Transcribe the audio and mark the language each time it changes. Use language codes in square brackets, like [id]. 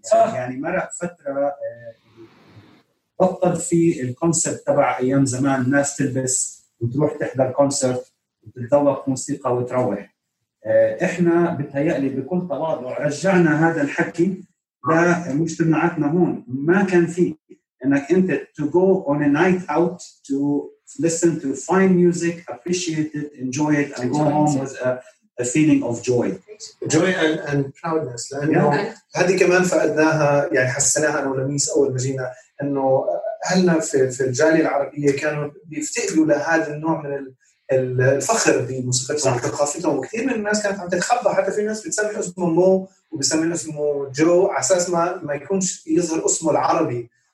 [ar] يعني مرق فتره بطل في الكونسبت تبع ايام زمان الناس تلبس وتروح تحضر كونسرت وتتذوق موسيقى وتروح. احنا بتهيألي بكل تواضع رجعنا هذا الحكي لمجتمعاتنا هون. ما كان فيه انك انت [en] to go on a night out to listen to fine music, appreciate it, enjoy it and go home with a feeling of joy. Joy and proudness. [ar] لأنه هذه كمان فقدناها، يعني حسناها أنا ولميس أول ما جينا، أنه أهلنا في الجالية العربية كانوا بيفتقدوا لهذا النوع من الفخر بموسيقى وثقافتهم، وكثير من الناس كانت عم تتخبى، حتى في ناس بتسمي اسمه مو وبيسمي اسمه جو على أساس ما يكونش يظهر اسمه العربي.